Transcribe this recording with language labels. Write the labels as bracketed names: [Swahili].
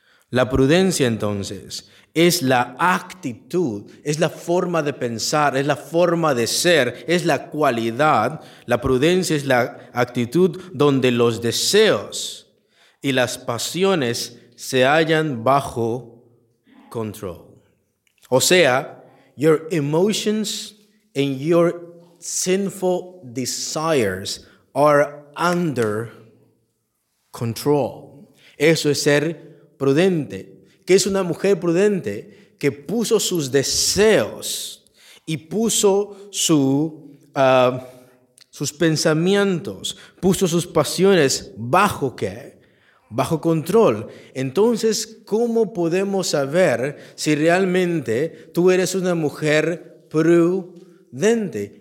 [Spanish] La prudencia entonces es la actitud, es la forma de pensar, es la forma de ser, es la cualidad. La prudencia es la actitud donde los deseos y las pasiones se hallan bajo control. O sea, [English] your emotions and your sinful desires are under control. [Spanish] Eso es ser prudente. ¿Qué es una mujer prudente? Que puso sus deseos y puso sus pensamientos, puso sus pasiones bajo ¿qué? Bajo control. Entonces, ¿cómo podemos saber si realmente tú eres una mujer prudente?